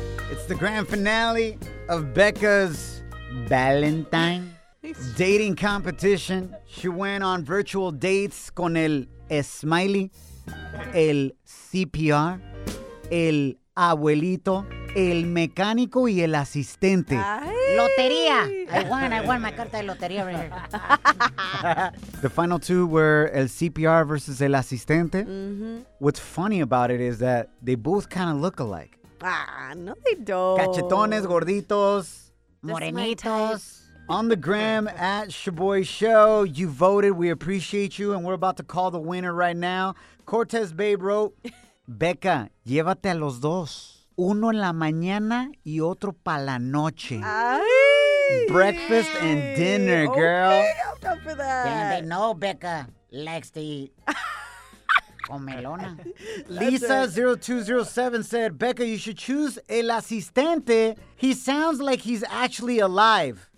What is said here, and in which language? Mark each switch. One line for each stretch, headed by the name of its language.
English: It's the grand finale of Becca's Valentine dating competition. She went on virtual dates
Spanish: con el smiley, el CPR, el abuelito, el mecánico y el asistente. Ay.
English: Lotería. I won my
Spanish: carta de lotería
English: right here. The final two were el CPR versus el asistente. Mm-hmm. What's funny about it is that they both kind of look alike. Ah, no they don't.
Spanish: Cachetones, gorditos. Morenitos.
English: On the gram at Shaboy Show, you voted. We appreciate you. And we're about to call the winner right now.
Spanish: Cortez Babe wrote, Becca, llévate a los dos. Uno en la mañana y otro para la noche. Ay.
English: Breakfast and dinner, girl. Okay, I'm for that. Damn, they know Becca likes to eat.
Spanish: Comelona.
English: Lisa0207 said, Becca, you should choose el asistente. He sounds like he's actually alive.